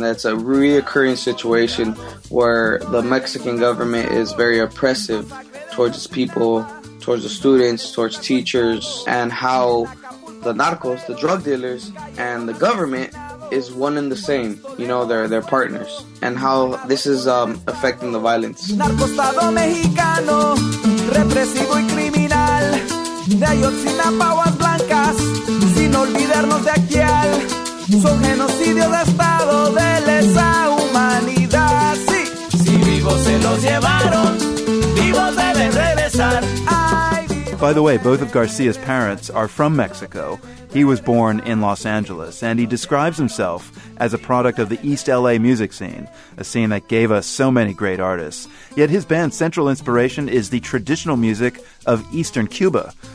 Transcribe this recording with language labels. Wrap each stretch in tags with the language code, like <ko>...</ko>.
<en>That's a reoccurring situation where the Mexican government is very oppressive towards its people, towards the students, towards teachers, and how the narcos, the drug dealers, and the government is one and the same. You know, they're partners. And how this is affecting the violence.</en> <es>Narcostado mexicano, represivo y criminal, de Ayotzinapa aguas blancas, sin olvidarnos de aquel, son genocidio de estado de lesa humanidad. Sí, si vivos se los llevaron, vivos deben regresar.</es> <en>By the way, both of Garcia's parents are from Mexico. He was born in Los Angeles, and he describes himself as a product of the East LA music scene, a scene that gave us so many great artists. Yet his band's central inspiration is the traditional music of Eastern Cuba.</en>